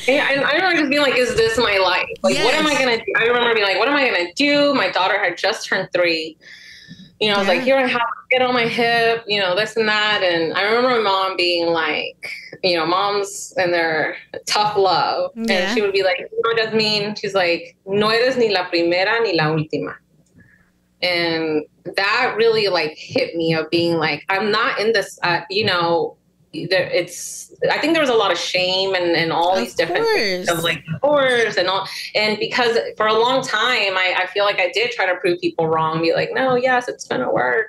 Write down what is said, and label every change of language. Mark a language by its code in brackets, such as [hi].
[en] And I remember just being like, is this my life? Like, what am I going to do? I remember being like, what am I going to do? My daughter had just turned three. You know, I was like, here I have to get on my hip, you know, this and that. And I remember my mom being like, you know, moms and their tough love. Yeah. And she would be like, no, Jazmin. She's like, [es] no eres ni la primera ni la última. [en] And that really like hit me of being like, I'm not in this, you know, there, it's, I think there was a lot of shame and all of these different things of like divorce and all. And because for a long time, I feel like I did try to prove people wrong, be like, no, yes, it's going to work.